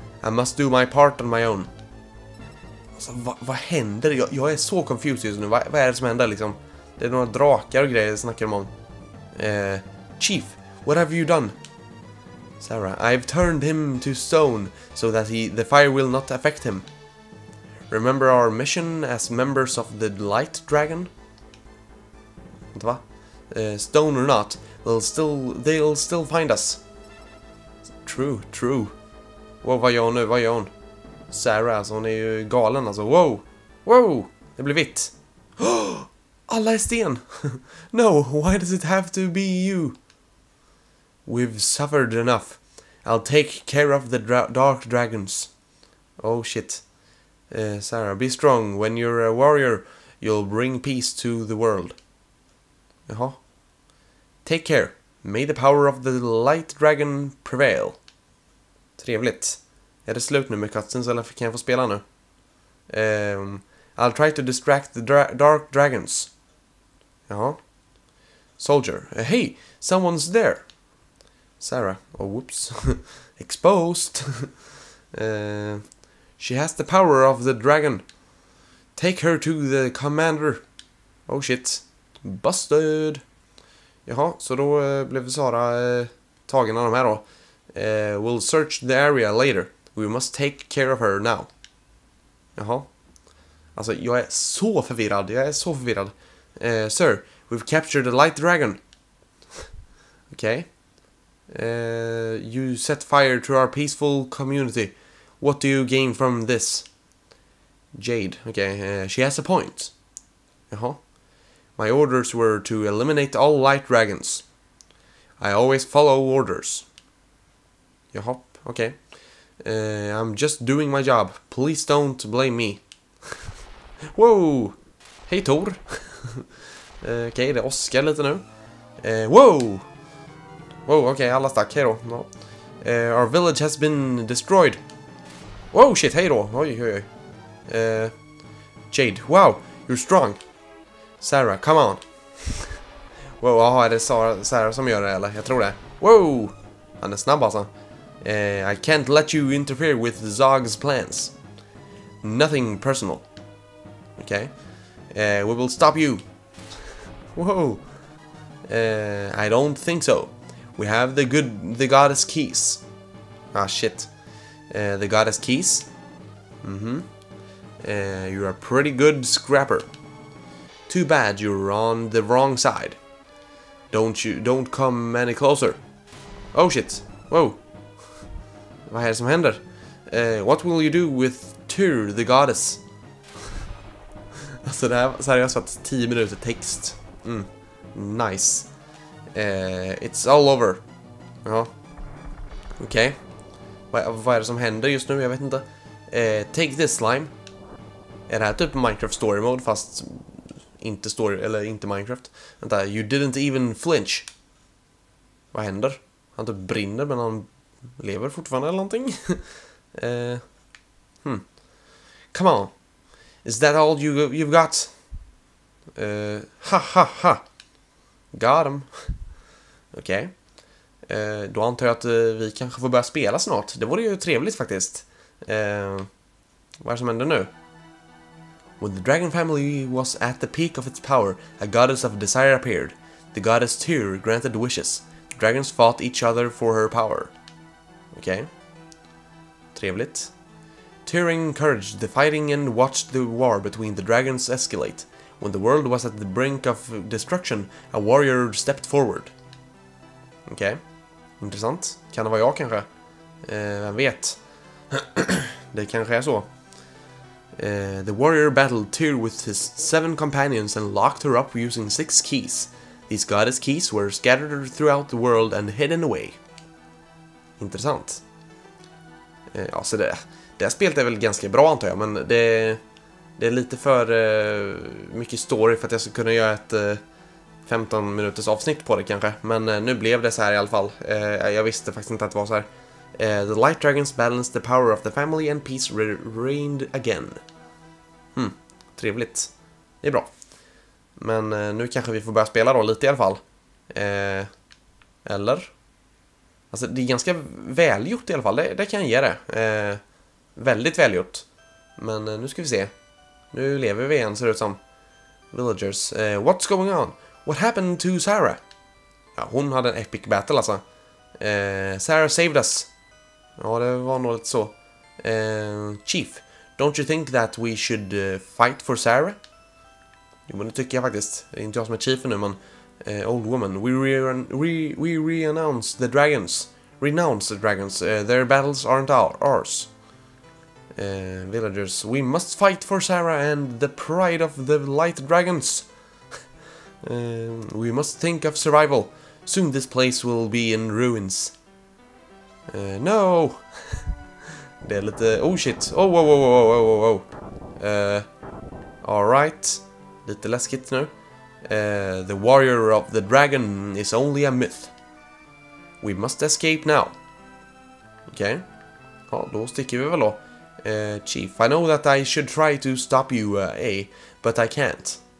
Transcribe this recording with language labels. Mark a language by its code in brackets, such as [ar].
[en] I must do my part on my own. [sv] Alltså, vad händer? Jag är så confused just nu. Vad är det som händer liksom? Det är några drakar och grejer snackar de om. [en] Chief, what have you done? Sarah, I've turned him to stone so that the fire will not affect him. Remember our mission as members of the Light Dragon? [sv] Vänta, va? [en] Stone or not, they'll still find us. True, true. [sv] Wow, vad gör hon nu? Vad gör hon? Sarah, alltså, hon är ju galen alltså. Wow, wow, det blir vitt. Alla är sten. [en] No, why does it have to be you? We've suffered enough. I'll take care of the dark dragons. Oh shit. Sarah, be strong. When you're a warrior, you'll bring peace to the world. Jaha. Take care. May the power of the light dragon prevail. [sv] Trevligt. Är det slut nu med cutscenes eller kan jag få spela nu? [en] I'll try to distract the dark dragons. Jaha. Soldier. Hey, someone's there. Sarah. Oh, whoops. Exposed. She has the power of the dragon. Take her to the commander. Oh, shit. Busted. [sv] Jaha, så då blev Sara tagen av de här då. [en] We'll search the area later. We must take care of her now. [sv] Jaha. Alltså, jag är så förvirrad. Jag är så förvirrad. [en] Sir, we've captured a light dragon. Okej. You set fire to our peaceful community. What do you gain from this? Jade. Okej, she has a point. Jaha. My orders were to eliminate all light dragons. I always follow orders. Jaha, okej. I'm just doing my job. Please don't blame me. Whoa! [sv] Hej Thor! Okej, det är Oskar lite nu. Whoa! Whoa, okej, alla stack. Hej då. No. [en] Our village has been destroyed. Whoa, shit, [sv] hej då. Oj, oj, oj. [en] Jade, wow, you're strong. Sarah, come on. [sv] Whoa, aha, är det Sarah som gör det, eller? Jag tror det. Whoa! Han är snabb, alltså. [en] I can't let you interfere with Zog's plans. Nothing personal. Okej. Okay. We will stop you. Whoa. I don't think so. We have the goddess keys. Ah, shit. The goddess keys? Mm-hmm. You're a pretty good scrapper. Too bad you're on the wrong side. Don't come any closer. Oh, shit. Whoa. [sv] Vad är det som händer? [en] What will you do with Tyr, the goddess? [sv] Alltså det här, så här har jag satt 10 minuter text. [en] Mm, nice. It's all over. Ja. Okej. Okay. [sv] Vad är det som händer just nu? Jag vet inte. [en] Take this slime. [sv] Är det här typ Minecraft story mode fast inte story eller inte Minecraft? [en] Vänta, you didn't even flinch. [sv] Vad händer? Han typ brinner men han lever fortfarande eller någonting. [en] Come on. Is that all you've got? Ha ha ha. Got him. Okej. Okay. [sv] Då antar jag att vi kanske får börja spela snart. Det vore ju trevligt faktiskt. Vad är det som händer nu? [en] When the dragon family was at the peak of its power, a goddess of desire appeared. The goddess Tyr granted wishes. Dragons fought each other for her power. Okej. Okay. [sv] Trevligt. [en] Tyr encouraged the fighting and watched the war between the dragons escalate. When the world was at the brink of destruction, a warrior stepped forward. [sv] Okej. Okay. Intressant. Kan det vara jag kanske? Vem vet? Det kanske är så. [en] The warrior battled Tyr with his 7 companions and locked her up using 6 keys. These goddess keys were scattered throughout the world and hidden away. [sv] Intressant. Ja, så det här spelet är väl ganska bra antar jag, men det är lite för mycket story för att jag ska kunna göra ett 15 minuters avsnitt på det kanske, men nu blev det så här i alla fall. Jag visste faktiskt inte att det var så här. [en] The Light Dragons balanced the power of the family and peace reigned again. [sv] Hmm, trevligt. Det är bra. Men nu kanske vi får börja spela då lite i alla fall. Eller? Alltså det är ganska välgjort i alla fall, det kan jag ge det. Väldigt välgjort. Men nu ska vi se. Nu lever vi igen, ser det ut som. [en] Villagers, what's going on? What happened to Sarah? [sv] Ja, hon hade en [en] epic battle [sv] alltså. [en] Sarah saved us. [sv] Ja, det var nog lite så. [en] Chief, don't you think that we should fight for Sarah? [sv] Jo, men det tycker jag faktiskt. Det är inte jag som är chiefen nu, men... [en] old woman, we renounce the dragons. Renounce the dragons. Their battles aren't ours. Villagers, we must fight for Sarah and the pride of the light dragons. We must think of survival. Soon this place will be in ruins. No! [sv] Det är lite... [en] Oh shit! Oh, whoa, whoa, whoa, whoa, whoa, whoa. Alright. [sv] Lite läskigt nu. [en] The warrior of the dragon is only a myth. We must escape now. Okej. [sv] Okay. Ja, då sticker vi väl då. [en] Chief, I know that I should try to stop you, but I can't.